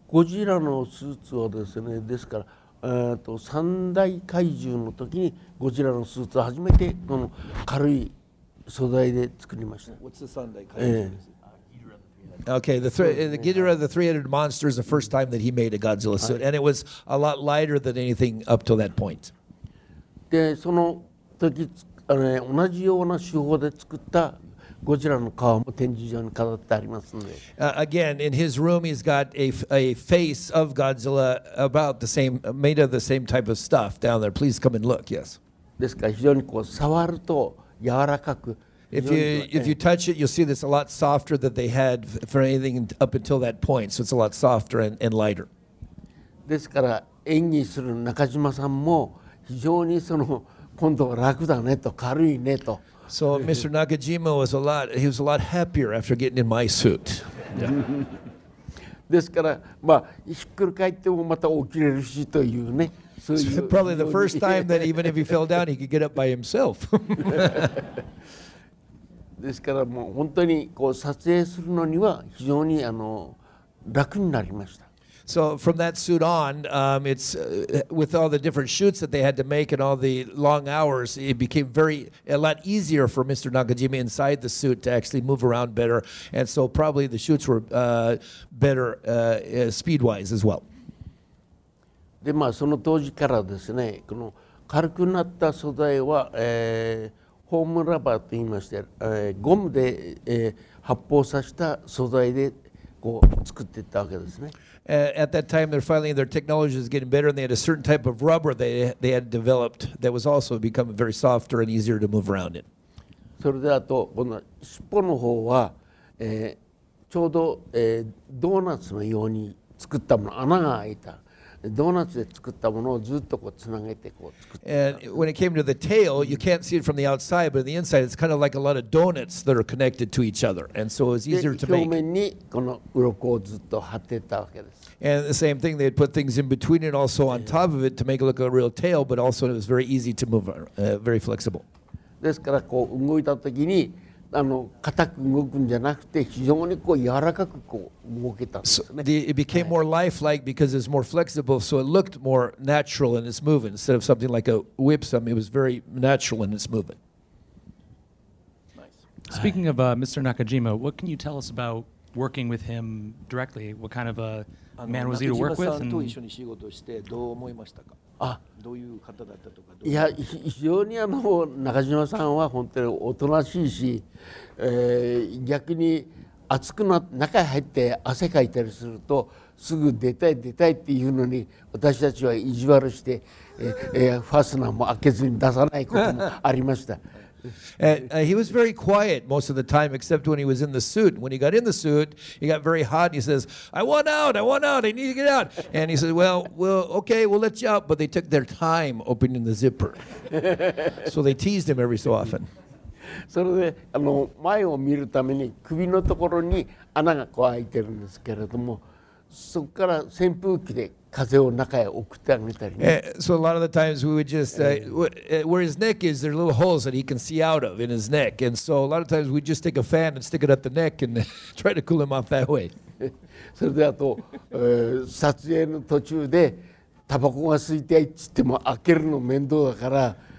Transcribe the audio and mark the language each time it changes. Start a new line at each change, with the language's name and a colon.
Japanese: Godzilla のスーツはですね、ですから、三大怪獣の時に Godzilla のスーツを初めてこの軽い素材で作りました。
English: What's the 三大怪獣です? Okay, the Ghidorah, the three-headed monster, is the first time that he made a Godzilla suit, and it was a lot lighter than anything up to that point.
Japanese: で、その時同じような手法で作ったゴジラの顔も展示場に飾ってありますので。
English: Again, in his room, he's got a face of Godzilla about the same, made of the same type of stuff down there. Please come and look, yes.
Japanese: ですから非常にこう触ると柔らかく。
English: If you touch it, you'll see that it's a lot softer than they had for anything up until that point. So it's a lot softer and lighter.
Japanese: ですから演技する中島さんも非常にその今度は楽だねと軽いねと。
English: So Mr. Nakajima was a lot. He was a lot happier after getting in my suit.
Japanese: ですから、まあひっくり返ってもまた起きれるしというね。そういう
English: Probably the first time that even if he fell down, he could get up by himself.
Japanese: ですからもう本当にこう撮影するのには非常に楽になりました。
English: So from that suit on, it's with all the different shoots that they had to make and all the long hours, it became a lot easier for Mr. Nakajima inside the suit to actually move around better. And so probably the shoots were better speed-wise as well.
Japanese: で、まあ、その当時からですね、この軽くなった素材は、ホームラバーと言いまして、ゴムで、発泡させた素材でこう作っていったわけですね。
English: At that time, they're finally their technology is getting better, and they had a certain type of rubber they had developed that was also becoming very softer and easier to move around in. So then,
Japanese: あとこの尻尾の方は、ちょうど、ドーナツのように作ったもの穴が開いた。ドーナツで作ったものをずっとこうつなげてこう作った。
English: And when it came to the tail, you can't see it from the outside, but on the inside, it's kind of like a lot of donuts that are connected to each other. And so it was easier to make.
Japanese: 表面にこの鱗をずっと貼ってたわけです。
English: And the same thing, they'd put things in between it, also on top of it, to make it look a real tail, but also it was very easy to move, very flexible.
Japanese: ですからこう動いた時に硬く動くんじゃなくて非常にこう柔らかくこう動けたんですね。
English: So、it became more lifelike because it's more flexible, so it looked more natural in its movement instead of something like a whip. Some, it was very natural in its movement. Nice. Speaking of Mr. Nakajima, what can you tell us about working with him directly? What kind of a man was he to work with?
Japanese: 中島さんと一緒に仕事してどう思いましたか？どういう方だったとか。いや、非常に中島さんは本当におとなしいし、逆に熱くな中に入って汗かいたりすると、すぐ出たい出たいっていうのに、私たちは意地悪して、ファスナーも開けずに出さないこともありました。
English: He was very quiet most of the time, except when he was in the suit. When he got in the suit, he got very hot, and he says, I want out, I need to get out. And he says, well, okay, we'll let you out. But they took their time opening the zipper. So they teased him every so often.
Japanese: それで前を見るために首のところに穴がこう開いてるんですけれども、そこから扇風機で風を中へ送ってあげたり。
English: So a lot of the times we would just where his neck is, there are little holes that he can see out of in his neck, and so a lot of times we just take a fan and stick it up the neck and try to cool him off that way.
Japanese: それであと撮影の途中でタバコが吸いたいって言っても開けるの面倒だから。